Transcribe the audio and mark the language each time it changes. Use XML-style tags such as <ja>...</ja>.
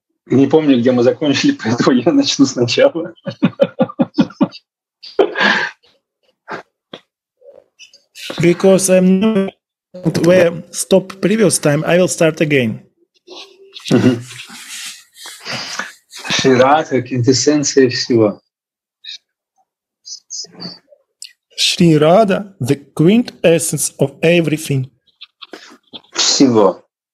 <ru>Я не помню, где мы закончили, поэтому я начну сначала.</ru> <en>Because I'm not where stop previous time, I will start again.</en> <ru>Шри Радха, квинтэссенция всего.</ru> <en>Шри Радха, the quintessence of everything.</en> <ru>Всего.</ru>